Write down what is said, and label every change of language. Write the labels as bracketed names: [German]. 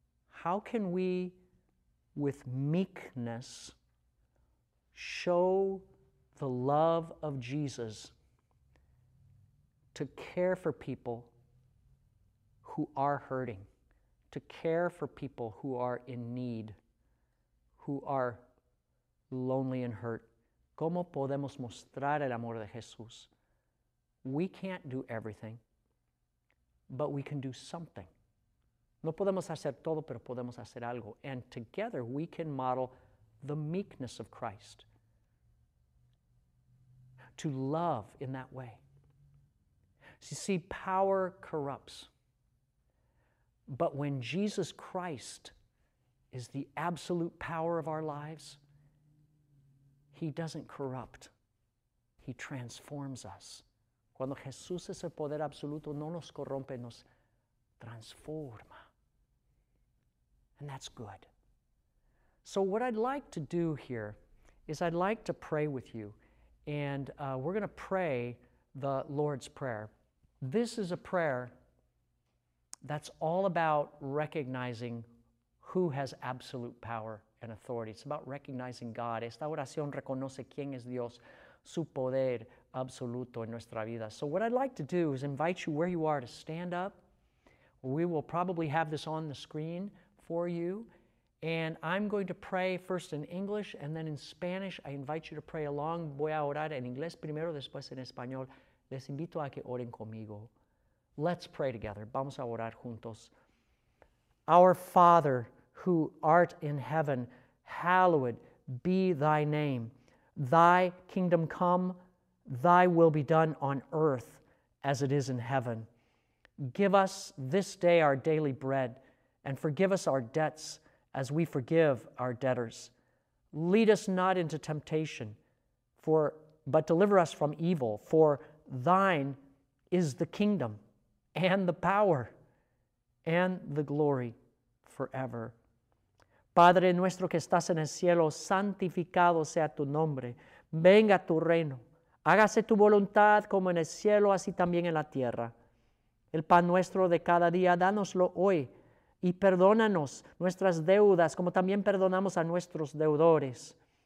[English] How can we with meekness show the love of Jesus to care for people who are hurting, to care for people who are in need, who are lonely and hurt? [Spanish] ¿Cómo podemos mostrar el amor de Jesús? [English] We can't do everything, but we can do something. [Spanish] No podemos hacer todo, pero podemos hacer algo. [English] And together we can model the meekness of Christ. To love in that way. So you see, power corrupts. But when Jesus Christ is the absolute power of our lives, he doesn't corrupt. He transforms us. [Spanish] Cuando Jesús es el poder absoluto, no nos corrompe, nos transforma. [English] And that's good. So what I'd like to do here is I'd like to pray with you. And we're going to pray the Lord's Prayer. This is a prayer that's all about recognizing who has absolute power and authority. It's about recognizing God. [Spanish] Esta oración reconoce quién es Dios, su poder absoluto en nuestra vida. [English] So what I'd like to do is invite you where you are to stand up. We will probably have this on the screen for you. And I'm going to pray first in English and then in Spanish. I invite you to pray along. [Spanish] Voy a orar en inglés primero, después en español. Les invito a que oren conmigo. [English] Let's pray together. [Spanish] Vamos a orar juntos. [English] Our Father, who art in heaven, hallowed be thy name. Thy kingdom come, thy will be done on earth as it is in heaven. Give us this day our daily bread, and forgive us our debts as we forgive our debtors. Lead us not into temptation, but deliver us from evil. For thine is the kingdom and the power and the glory forever. [Spanish] Padre nuestro que estás en el cielo, santificado sea tu nombre. Venga tu reino. Hágase tu voluntad como en el cielo, así también en la tierra. El pan nuestro de cada día, dánoslo hoy. Y perdónanos nuestras deudas, como también perdonamos a nuestros deudores.